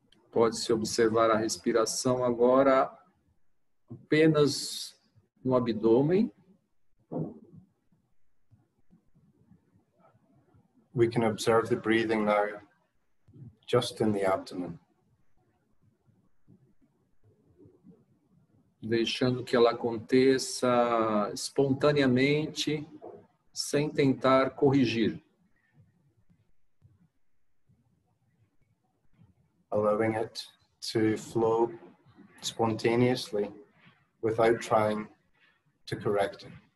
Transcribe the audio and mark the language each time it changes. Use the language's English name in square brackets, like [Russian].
[Portuguese] Pode-se observar a respiração agora apenas no abdômen. [English] We can observe the breathing now just in the abdomen. [Portuguese] Deixando que ela aconteça espontaneamente, sem tentar corrigir. [English] Allowing it to flow spontaneously without trying to correct it.